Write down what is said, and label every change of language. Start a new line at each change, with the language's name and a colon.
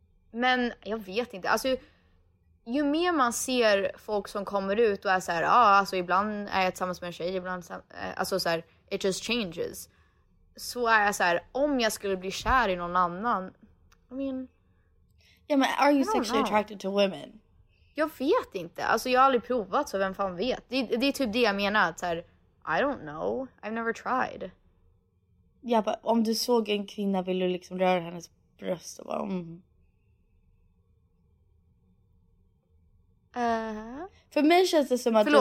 Swedish: Men jag vet inte. Alltså, ju mer man ser folk som kommer ut och är så här, alltså ibland är jag tillsammans med en tjej, ibland alltså så här,
English: it just changes.
Swedish: Så är jag så här, om jag skulle bli kär i någon annan.
English: I mean, yeah, but are you sexually attracted to women?
Swedish: Jag vet inte. Alltså jag har aldrig provat, så vem fan vet. Det är typ det jag menar, att så här,
English: I don't know. I've never tried.
Swedish: Ja, men om du såg en kvinna, vill du liksom röra hennes bröst och bara, För mig känns det som att